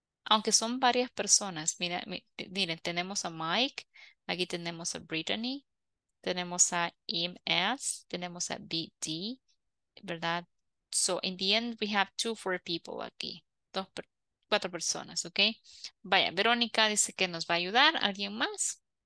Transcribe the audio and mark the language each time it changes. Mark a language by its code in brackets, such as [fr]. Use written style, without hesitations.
[es] Aunque son varias personas, miren, tenemos a Mike, aquí tenemos a Brittany, tenemos a MS, tenemos a BD, ¿verdad? [en] So in the end, we have 2-4 people [es] aquí, 4 personas, [en] okay? [es] Vaya, Verónica dice que nos va a ayudar, ¿alguien más?